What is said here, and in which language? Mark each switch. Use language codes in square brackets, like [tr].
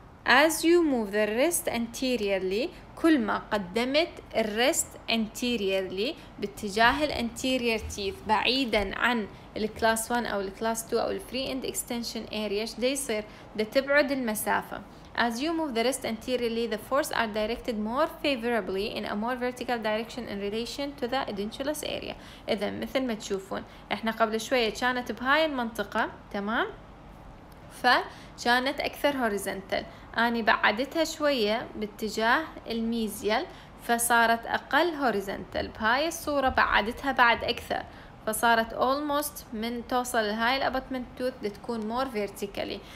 [en] As you move the wrist anteriorly, [ar] كل ما قدمت الريست anteriorly باتجاه الانتيرير تيث بعيدا عن الكلاس 1 او الكلاس 2 او الفري اند اكستنشن اريا ايش دا يصير؟ دا تبعد المسافه. [en] As you move the wrist anteriorly, the force are directed more favorably in a more vertical direction in relation to the edentulous area. [ar] اذا مثل ما تشوفون احنا قبل شويه كانت بهاي المنطقه تمام؟ فكانت اكثر هوريزنتال، اني بعدتها شويه باتجاه الميزيال فصارت اقل هوريزنتال، بهاي الصوره بعدتها بعد اكثر فصارت almost من توصل لهاي الابطمنت توث تكون مور فيرتيكالي.